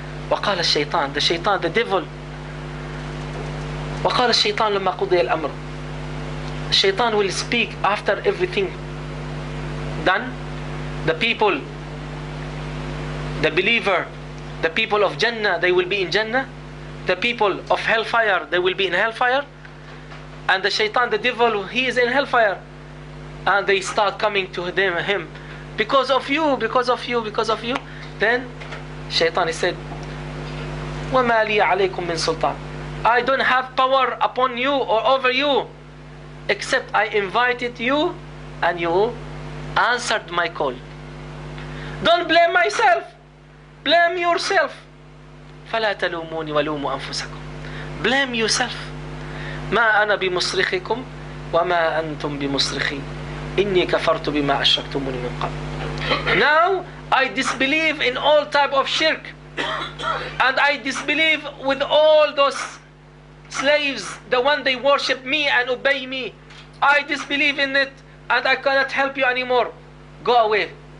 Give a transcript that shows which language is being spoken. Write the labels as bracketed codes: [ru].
[ar] وقال الشيطان, the شيطان, the devil. وقال الشيطان لما قضي الأمر. [en] الشيطان will speak after everything done. The people, the believer, the people of Jannah, they will be in Jannah. The people of hellfire, they will be in hellfire. And the shaitan, the devil, he is in hellfire. And they start coming to him. Because of you, because of you, because of you. Then shaitan, he said, [ar] وَمَا لِيَ عَلَيْكُمْ مِنْ سُلْطَانِ. [en] I don't have power upon you or over you, except I invited you and you answered my call. Don't blame myself. Blame yourself. [ar] فَلَا تَلُومُونِ وَلُومُوا أَنفُسَكُمْ. [en] Blame yourself. [ar] ما أنا بمصرخكم وما أنتم بمصرخي إني كفرت بما أشركتموني من قبل. [en] Now I disbelieve in all type of shirk, and I disbelieve with all those slaves, the one they worship me and obey me. I disbelieve in it and I cannot help you anymore. Go away.